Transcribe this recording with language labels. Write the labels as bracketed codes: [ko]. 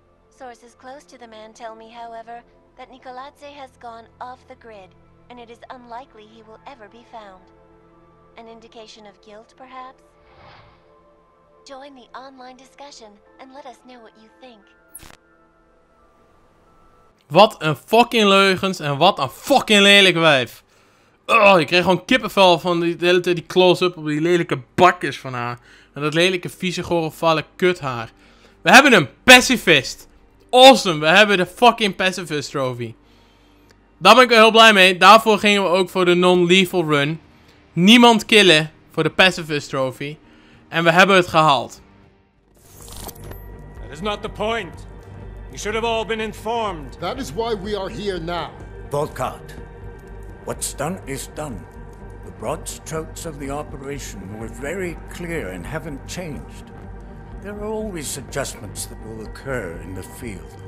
[en] Sources close to the man tell me, however, that Nikolatse has gone off the grid, and it is unlikely he will ever be found. An indication of guilt, perhaps? Join the online discussion and let us know what you think. [nl] Wat een fucking leugens en wat een fucking lelijk wijf. Oh, ik kreeg gewoon kippenvel van die de hele tijd die close-up op die lelijke bakjes van haar. En dat lelijke, vieze, gore, vale kuthaar. We hebben een pacifist. Awesome, we hebben de fucking pacifist trophy. Daar ben ik wel heel blij mee. Daarvoor gingen we ook voor de non-lethal run. Niemand killen voor de pacifist trophy. En we hebben het gehaald. [en] That is not the point. You should have all been informed. That is why we are here now. Volkart, what's done is done. The broad strokes of the operation were very clear and haven't changed. There are always adjustments that will occur in the field.